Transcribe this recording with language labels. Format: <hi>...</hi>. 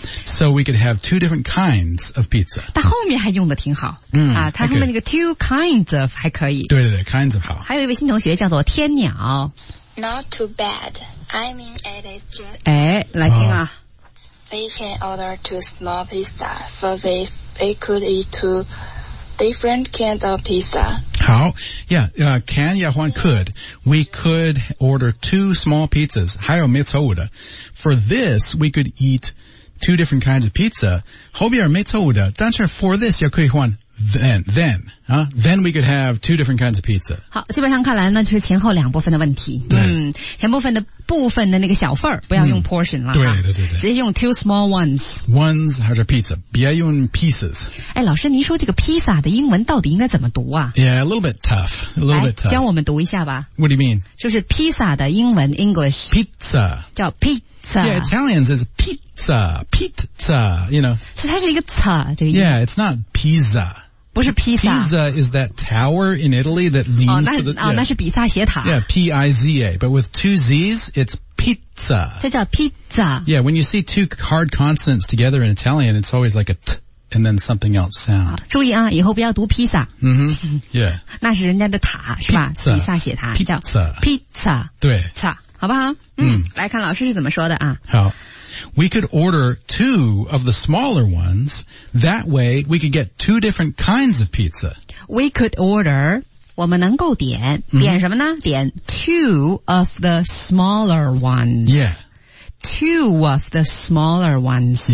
<en>So we could have two different kinds of pizza.</en> <zh>但后面还用的挺好。他后面那个</zh> <en>two kinds of</en> <zh>还可以。对对对 ,</zh> <en>kinds of</en> <zh>好。还有一位新同学叫做天鸟。</zh> <en>Not too bad. I mean, it is just.</en> <zh>来听啊。</zh> <en>We can order two small pizza, so this we could eat two different kinds of pizza. 好 ，Yeah, can 也换 could. We could order two small pizzas.</en> <zh>还有没错误的。</zh> <en>For this, we could eat two different kinds of pizza.</en> <zh>后边没错误的，但是</zh> <en>for this</en> <zh>也可以换。</zh> <en>Then we could have two different kinds of pizza.</en> <zh>好，基本上看来呢，就是前后两部分的问题。对，前部分的那个小份儿，不要用 portion 了。对对对对，直接用</zh> <en>two small ones.</en> <zh>Ones 还是 pizza， 别用 pieces。哎，老师，您说这个 pizza 的英文到底应该怎么读啊</zh> <en>？Yeah, a little bit tough. A little bit tough.</en> <zh>教我们读一下吧。</zh> <en>What do you mean？</en> <zh>就是 pizza 的英文 English。</zh> <en>Pizza</en> <zh>叫 pizza。</zh> <en>Yeah, Italians is pizza, pizza. You know.</en> <zh>是它是一个 t 这个音。</zh> <en>Yeah, it's not pizza.</en> <zh>不是披萨。</zh> <en>Pizza is that tower in Italy that leans to the...</en> <zh>那是比萨斜塔。</zh> <en>Yeah, P-I-Z-A. But with two Z's, it's pizza.</en> <zh>这叫 pizza.</zh> <en>Yeah, when you see two hard consonants together in Italian, it's always like a t and then something else sound.</en> <zh>注意啊，以后不要读披萨。</zh> <en>Yeah.</en> <zh>那是人家的塔，是吧？比萨斜塔叫 pizza. 对。擦，好不好？来看老师是怎么说的啊。好。</zh> <en>We could order two of the smaller ones. That way, we could get two different kinds of pizza. We could order,</en> <zh>我们能够点,点什么呢?</zh> <en>点 two of the smaller ones. Yeah. Two of the smaller ones.</en>